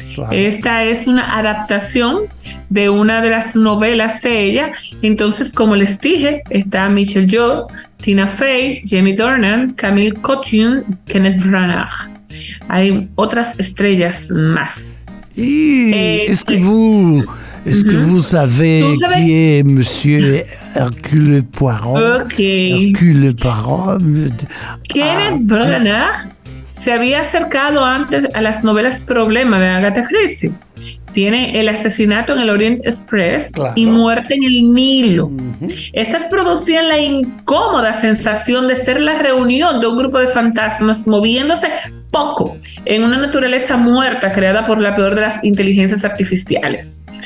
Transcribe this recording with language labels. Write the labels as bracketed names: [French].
[Spanish] Esta es una adaptación de una de las novelas de ella. Entonces, como les dije, está Michelle Yeoh, Tina Fey, Jamie Dornan, Camille Cotune, Kenneth Branagh. Hay otras estrellas más. [French] Y vous savez qui est Monsieur Hercule Poirot? [Spanish] Hercule Poirot. Kenneth Branagh se había acercado antes a las novelas Problema de Agatha Christie. Tiene El asesinato en el Orient Express, claro, y Muerte en el Nilo. Uh-huh. Esas producían la incómoda sensación de ser la reunión de un grupo de fantasmas moviéndose poco en una naturaleza muerta creada por la peor de las inteligencias artificiales.